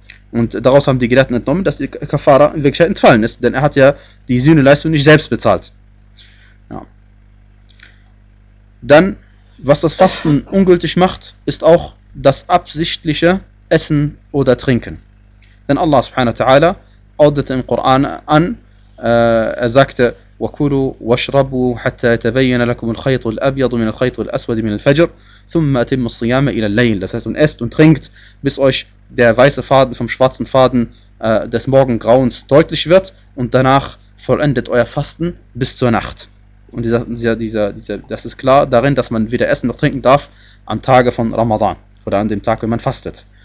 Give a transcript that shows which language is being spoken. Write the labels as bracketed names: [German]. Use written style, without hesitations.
[German] Und daraus haben die Gelehrten entnommen, dass die Kafara in Wirklichkeit entfallen ist, denn er hat ja die Sühneleistung nicht selbst bezahlt. Ja. Dann, was das Fasten ungültig macht, ist auch das absichtliche Essen oder Trinken. Denn Allah subhanahu wa ta'ala ordnete im Koran an, er sagte: [Arabic] وَكُلُوا وَاشْرَبُوا حَتَّى يَتَبَيَّنَ لَكُمُ الْخَيْطُ الْأَبْيَضُ مِنَ الْخَيْطِ الْأَسْوَدِ مِنَ الْفَجْرِ ثُمَّ أَتِمُّوا الصِّيَامَ إِلَى اللَّيْلِ. [German] Das heißt, und esst und trinkt, bis euch der weiße Faden vom schwarzen Faden des Morgengrauens deutlich wird, und danach vollendet euer Fasten bis zur Nacht. Und das ist klar darin, dass man weder essen noch trinken darf am Tage von Ramadan oder an dem Tag, wenn man fastet.